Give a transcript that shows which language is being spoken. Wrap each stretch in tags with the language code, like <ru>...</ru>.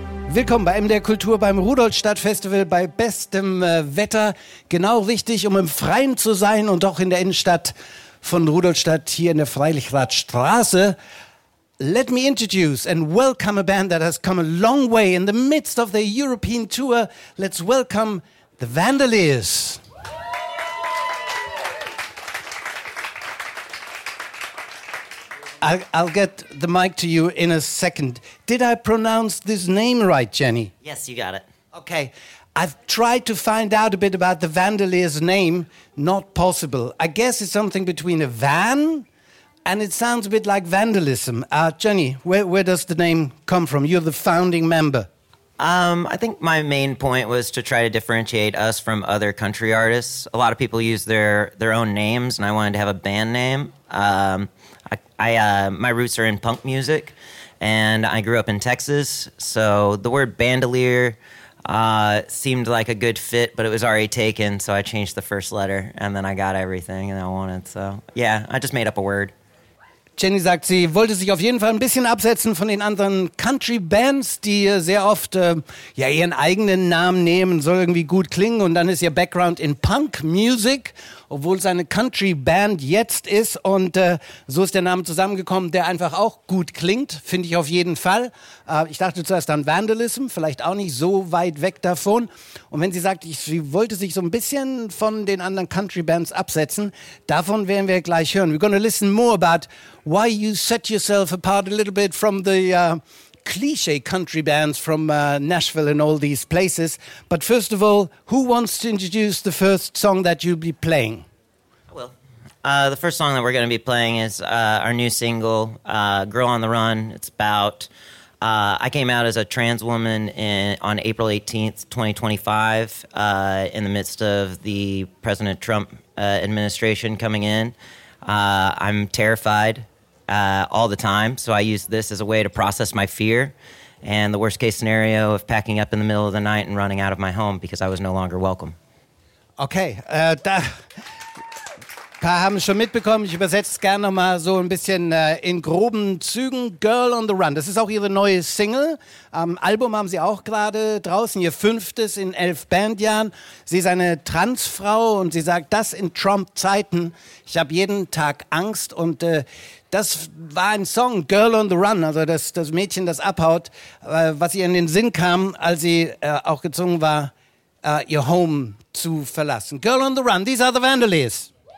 <de>Willkommen bei MDR Kultur, beim Rudolstadt-Festival, bei bestem Wetter. Genau richtig, um im Freien zu sein und auch in der Innenstadt von Rudolstadt, hier in der Freilichrathstraße.</de> <en>Let me introduce and welcome a band that has come a long way in the midst of their European tour. Let's welcome the Vandaliers. I'll get the mic to you in a second. Did I pronounce this name right, Jenny? Yes, you got it. Okay. I've tried to find out a bit about the Vandaliers' name. Not possible. I guess it's something between a van and it sounds a bit like vandalism. Jenny, where does the name come from? You're the founding member. I think my main point was to try to differentiate us from other country artists. A lot of people use their own names, and I wanted to have a band name. My roots are in punk music, and I grew up in Texas, so the word bandolier seemed like a good fit, but it was already taken, so I changed the first letter, and then I got everything that I wanted. So, yeah, I just made up a word.</en> <de>Jenny sagt, sie wollte sich auf jeden Fall ein bisschen absetzen von den anderen Country-Bands, die sehr oft ihren eigenen Namen nehmen, soll irgendwie gut klingen. Und dann ist ihr Background in Punk-Music, obwohl es eine Country-Band jetzt ist. Und so ist der Name zusammengekommen, der einfach auch gut klingt, finde ich auf jeden Fall. Ich dachte zuerst an Vandalism, vielleicht auch nicht so weit weg davon. Und wenn sie sagt, sie wollte sich so ein bisschen von den anderen Country-Bands absetzen, davon werden wir gleich hören.</de> <en>We're going to listen more about why you set yourself apart a little bit from the cliche country bands from Nashville and all these places. But first of all, who wants to introduce the first song that you'll be playing? I will. The first song that we're going to be playing is our new single, Girl on the Run. It's about, I came out as a trans woman on April 18th, 2025, in the midst of the President Trump administration coming in. I'm terrified all the time, so I use this as a way to process my fear and the worst case scenario of packing up in the middle of the night and running out of my home because I was no longer welcome.</en> <de>Okay, da ein paar haben es schon mitbekommen. Ich übersetze es gerne noch mal so ein bisschen in groben Zügen. Girl on the Run, das ist auch ihre neue Single. Album haben sie auch gerade draußen, ihr fünftes in 11 Bandjahren. Sie ist eine Transfrau und sie sagt, das in Trump-Zeiten. Ich habe jeden Tag Angst und das war ein Song, Girl on the Run, also das Mädchen, das abhaut, was ihr in den Sinn kam, als sie auch gezwungen war, ihr Home zu verlassen.</de> <en>Girl on the Run, these are the Vandaliers.</en>